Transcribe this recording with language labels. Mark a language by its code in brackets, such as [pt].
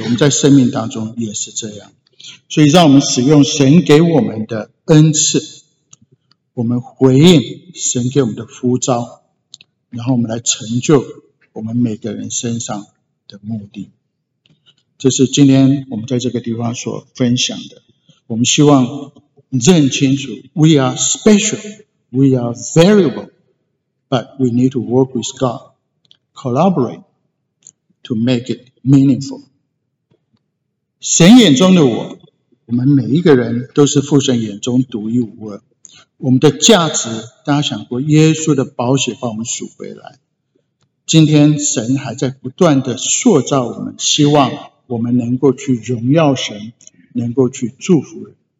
[zh] 我们在生命当中也是这样，所以让我们使用神给我们的恩赐，我们回应神给我们的呼召，然后我们来成就我们每个人身上的目的。这是今天我们在这个地方所分享的。我们希望认清楚 [en] We are special, We are valuable, But we need to work with God, Collaborate to make it meaningful. [zh] 神眼中的我，我们每一个人都是父神眼中独一无二。我们的价值，大家想过，耶稣的宝血把我们赎回来。今天神还在不断的塑造我们，希望我们能够去荣耀神，能够去祝福人。